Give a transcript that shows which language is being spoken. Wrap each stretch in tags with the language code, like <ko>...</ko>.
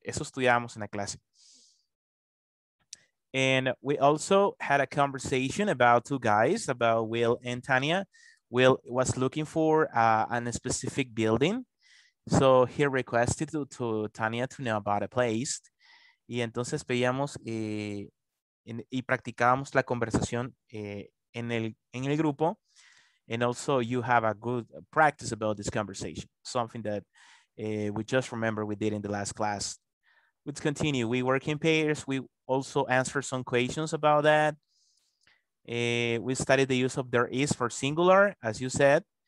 <es>Eso estudiamos en la clase.</es> <en>And we also had a conversation about two guys, about Will and Tania. Will was looking for a specific building. So he requested to Tania to know about a place.</en> <es>Y entonces veíamos y practicábamos la conversación en el grupo.</es> <en>And also you have a good practice about this conversation. Something that we just remember we did in the last class. Let's continue. We work in pairs. We also answer some questions about that. We studied the use of there is for singular, as you said,</en>